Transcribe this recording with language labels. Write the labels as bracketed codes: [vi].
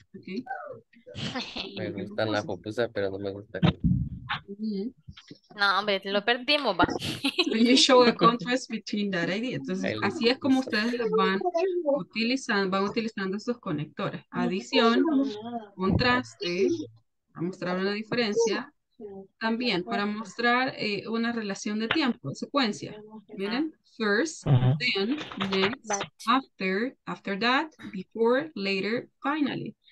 [es] Okay. Me gustan las pupusas, pero no me gusta. No, hombre, lo perdimos, va. [en] So you show a contrast between that idea. [es] Entonces, el así es como ustedes van utilizando esos conectores. Adición, contraste, para mostrar una diferencia. También para mostrar una relación de tiempo, secuencia. Miren, [en] first, then, next, after that, before, later, finally.